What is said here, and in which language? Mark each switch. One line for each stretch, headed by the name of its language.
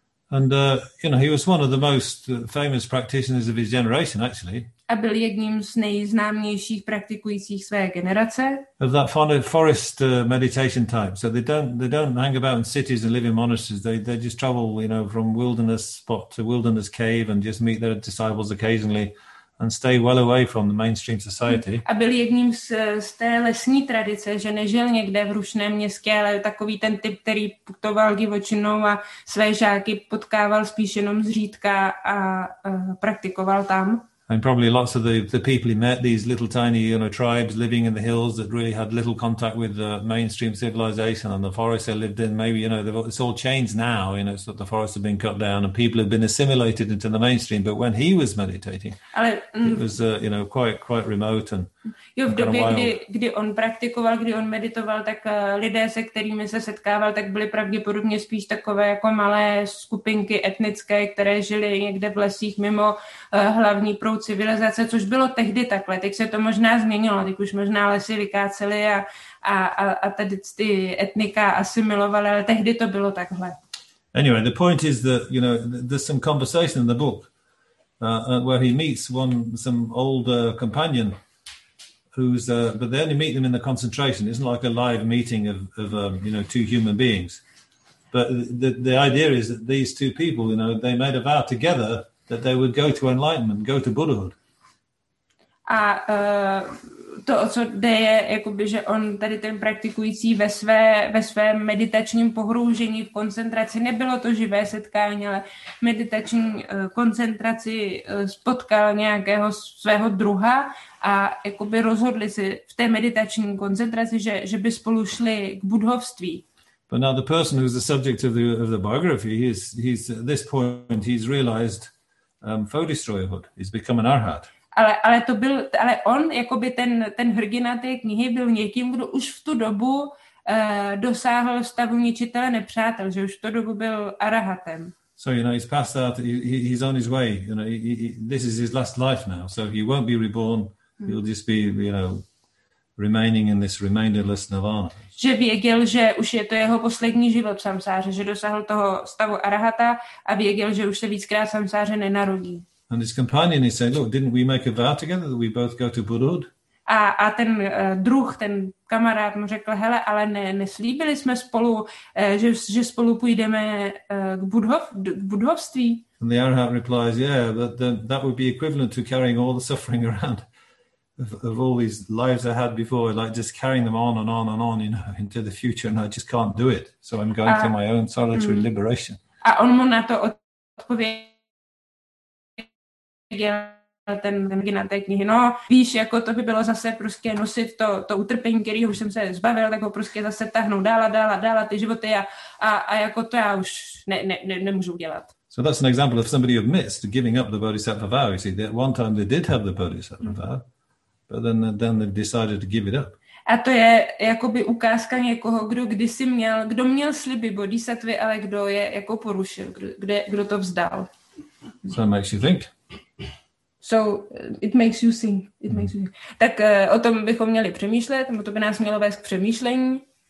English: And you know, he was one of the most famous practitioners of his generation, actually.
Czech: A byl jedním z nejznámějších praktikujících své generace.
English: Of that forest meditation type. So they don't hang about in cities and live in monasteries. They just travel, you know, from wilderness spot to wilderness cave and just meet their disciples occasionally and stay well away from the mainstream society.
Czech: A byl jedním z té lesní tradice, že nežil někde v rušném městě, ale takový ten typ, který putoval divočinou a své žáky potkával spíš jenom zřídka a praktikoval tam.
English: And probably lots of the people he met, these little tiny, you know, tribes living in the hills that really had little contact with the mainstream civilization and the forests they lived in. Maybe, you know, it's all changed now, you know, so the forests have been cut down and people have been assimilated into the mainstream. But when he was meditating, it was, you know, quite remote and
Czech: jo, v době, kdy on praktikoval, kdy on meditoval, tak lidé, se kterými se setkával, tak byly pravděpodobně spíš takové jako malé skupinky etnické, které žily někde v lesích mimo hlavní proud civilizace, což bylo tehdy takhle. Teď se to možná změnilo, teď už možná lesy vykáceli a tady ty etnika asimilovaly, ale tehdy to bylo takhle.
English: Anyway, the point is that, you know, there's some conversation in the book where he meets some old companion. But they only meet them in the concentration. It's not like a live meeting of you know, two human beings. But the idea is that these two people, you know, they made a vow together that they would go to enlightenment, go to Buddhahood.
Czech: A to, co jde, je, jakoby, že on tady ten praktikující ve svém meditačním pohroužení v koncentraci, nebylo to živé setkání, ale meditační koncentraci spotkal nějakého svého druha a jakoby rozhodli si v té meditační koncentraci, že by spolu šli k buddhovství.
English: But now the person who's the subject of the biography, he's at this point, he's realized Bodhisattvahood, he's become an arhat.
Czech: Ale on, jakoby ten hrdina té knihy, byl někým, kdo už v tu dobu dosáhl stavu ničitele nepřátel, že už v tu dobu byl arahatem.
English: So, you know, he's passed out, he's on his way, you know, this is his last life now, so he won't be reborn, he'll just be, you know, remaining in this remainderless nirvana.
Czech: Že věděl, že už je to jeho poslední život v samsáře, že dosáhl toho stavu arahata a věděl, že už se víckrát samsáře nenarodí.
English: And his companion, he said, look, didn't we make a vow together that we both go to Buddhahood?
Czech: A ten druh, ten kamarád mu řekl, hele, ale neslíbili jsme spolu, že spolu půjdeme k buddhovství.
English: And the arhat replies, yeah, that would be equivalent to carrying all the suffering around of all these lives I had before, like just carrying them on and on and on, you know, into the future, and I just can't do it. So I'm going to my own solitary liberation.
Czech: A on mu na to odpověděl, ten na té knihy. No, víš, jako to by bylo zase prostě nosit to utrpení, který už jsem se zbavil, tak ho prostě zase tahnou dál ty životy a jako to já už nemůžu udělat.
English: So that's an example of somebody who missed giving up the bodhisattva vow. You see, that one time they did have the bodhisattva vow, but then they decided to give it up.
Czech: A to je jakoby ukázka někoho, kdo měl sliby bodhisattvy, ale kdo je jako porušil, kdo to vzdal.
English: So it makes you think. So it makes you think.
Czech: Tak o tom bychom měli přemýšlet, nebo to by nás mělo vést k přemýšlení.